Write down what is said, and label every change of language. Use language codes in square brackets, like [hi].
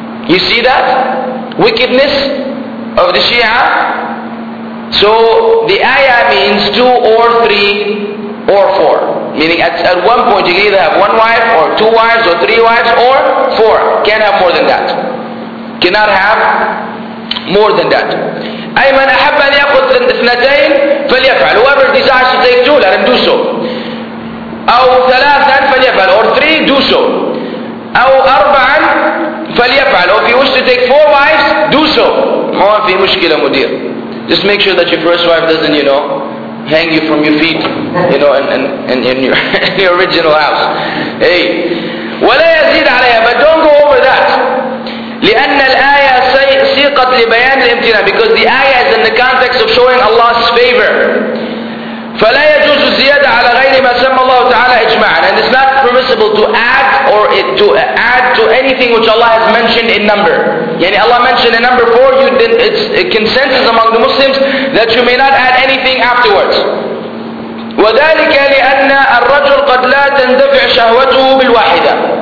[en] You see that? Wickedness of the Shia. So the ayah means two or three or four. Meaning at one point you can either have one wife or two wives or three wives or four. Can't have more than that. Cannot have more than that. [ar] أيمن أحب أن يأخذ اثنتين فليفعل. [en] Whoever desires to take two, let him do so. [ar] أو ثلاثا فليفعل. [en] Or three, do so. [ar] أو أربعا فليفعل. [en] Or if he wishes to take four wives, do so. [ar] ما في مشكلة مدير. [en] Just make sure that your first wife doesn't, you know, hang you from your feet, you know, in your original house. Hey. [ar] ولا يزيد عليها. [en] But don't go over that. [ar] لأن الآية سيقت لبيان الامتناع. [en] Because the ayah is in the context of showing Allah's favor. [ar] فلا يجوز الزيادة على غير ما سمى الله تعالى إجماعا. [en] And it's not permissible to add to anything which Allah has mentioned in number. يعني Allah mentioned a number for you, then it's a consensus among the Muslims that you may not add anything afterwards. [ar] وذلك لأن الرجل قد لا تندفع شهوته بالواحدة.